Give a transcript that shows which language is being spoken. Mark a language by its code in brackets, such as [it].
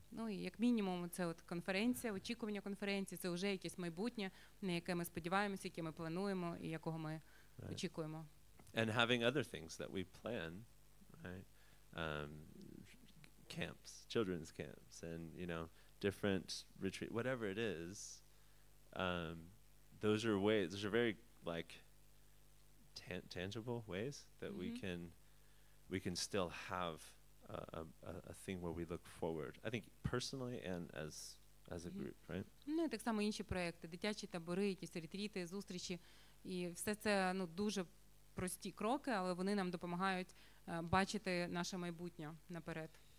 [uk] Ну, і як мінімум це от конференція, очікування конференції, це вже якесь майбутнє, на яке ми сподіваємося, яке ми плануємо і якого ми очікуємо. [en] And having other things that we plan, right? Camps, children's camps and, you know, different retreat, whatever it is, those are very like tangible ways that we can still have a thing where we look forward. I think personally and as a group, right? [uk] Ну, так само інші проекти, дитячі табори, якісь ретріти, зустрічі, і все це, ну, дуже прості кроки, але вони нам допомагають бачити наше майбутнє наперед.